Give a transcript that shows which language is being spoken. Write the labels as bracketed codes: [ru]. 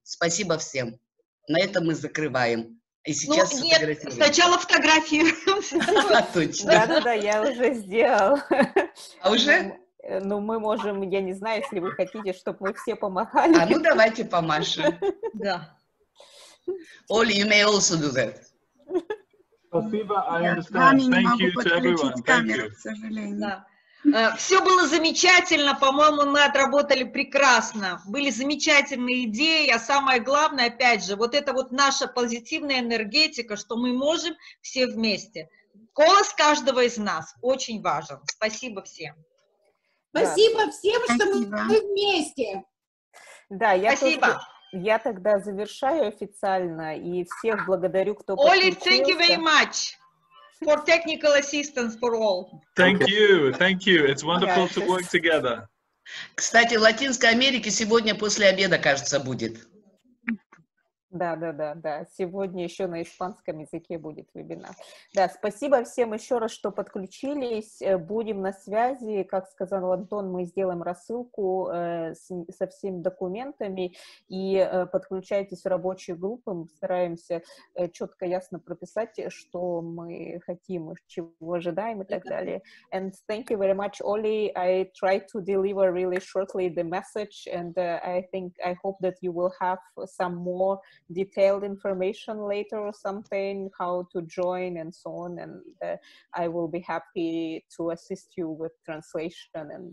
[ru] Спасибо всем. На этом мы закрываем. И сейчас фотографируем. Сначала фотографируем. Точно. Да, я уже сделала. А уже? Ну, мы можем, я не знаю, если вы хотите, чтобы мы все помахали. А ну, давайте помашем. Да. [en] Оля, you may also do that. Спасибо, I understand. Thank you to everyone. Thank you. [ru] Да. Все было замечательно, по-моему, мы отработали прекрасно. Были замечательные идеи, а самое главное, опять же, вот это вот наша позитивная энергетика, что мы можем все вместе. Голос каждого из нас очень важен. Спасибо всем. Спасибо всем, что мы вместе. Да, спасибо. Я тогда завершаю официально и всех благодарю, кто подключился. [en] Оля, thank you very much. For technical assistance for all. Thank you. It's wonderful to work together. [ru] Кстати, в Латинской Америке сегодня после обеда, кажется, будет. Да. Сегодня еще на испанском языке будет вебинар. Да, спасибо всем еще раз, что подключились. Будем на связи. Как сказал Антон, мы сделаем рассылку со всеми документами и подключайтесь в рабочие группы. Мы стараемся четко, ясно прописать, что мы хотим, чего ожидаем и так далее. [en] And thank you very much, Oli. I try to deliver really shortly the message and I hope that you will have some more detailed information later or something, how to join and so on, and I will be happy to assist you with translation and